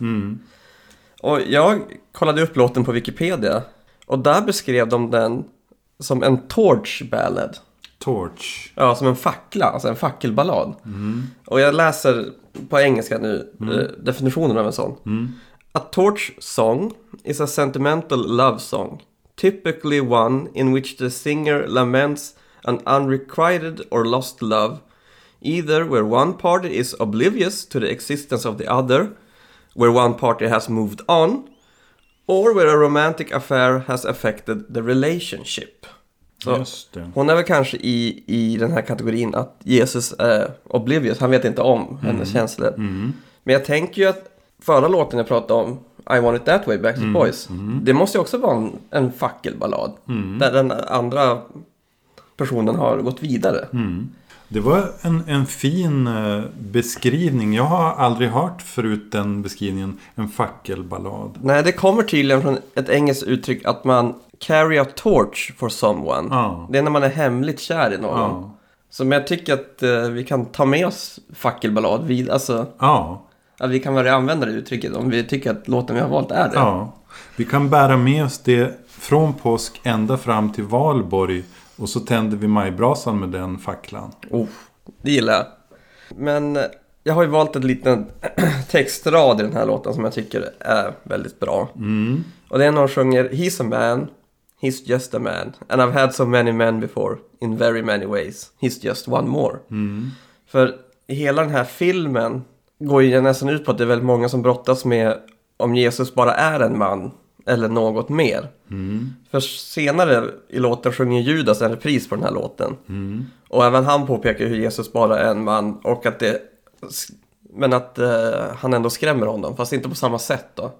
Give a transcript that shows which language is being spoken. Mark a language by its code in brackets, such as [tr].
[sv] Mm. Och jag kollade upp låten på Wikipedia. Och där beskrev de den som en torch ballad. [en] Torch. [sv] Ja, som en fackla, alltså en fackelballad. Mm. Och jag läser på engelska nu definitionen av en sån. Mm. [en] A torch song is a sentimental love song. Typically one in which the singer laments an unrequited or lost love, either where one party is oblivious to the existence of the other, where one party has moved on, or where a romantic affair has affected the relationship. [sv] Så just det. Hon är väl kanske i den här kategorin att Jesus är oblivious, han vet inte om hennes känslor. Mm. Men jag tänker ju att förra låten jag pratade om, I Want It That Way, Backstreet Boys. Mm. Det måste ju också vara en fackelballad. Mm. Där den andra personen har gått vidare. Mm. Det var en fin beskrivning. Jag har aldrig hört förut den beskrivningen. En fackelballad. Nej, det kommer tydligen från ett engelskt uttryck. Att man [en] carry a torch for someone. Ah. [sv] Det är när man är hemligt kär i någon. Ah. Så men jag tycker att vi kan ta med oss fackelballad. Alltså. Ja. Att vi kan börja använda det uttrycket om vi tycker att låten vi har valt är det. Ja, vi kan bära med oss det från påsk ända fram till Valborg. Och så tänder vi majbrasan med den facklan. Oh, det gillar jag. Men jag har ju valt en liten textrad i den här låten som jag tycker är väldigt bra. Mm. Och det är någon sjunger, [en] he's a man, he's just a man. And I've had so many men before, in very many ways. He's just one more. Mm. [sv] För hela den här filmen går ju nästan ut på att det är väldigt många som brottas med om Jesus bara är en man eller något mer. Mm. För senare i låten sjunger Judas en repris på den här låten. Mm. Och även han påpekar hur Jesus bara är en man och att det, men att han ändå skrämmer honom, fast inte på samma sätt då.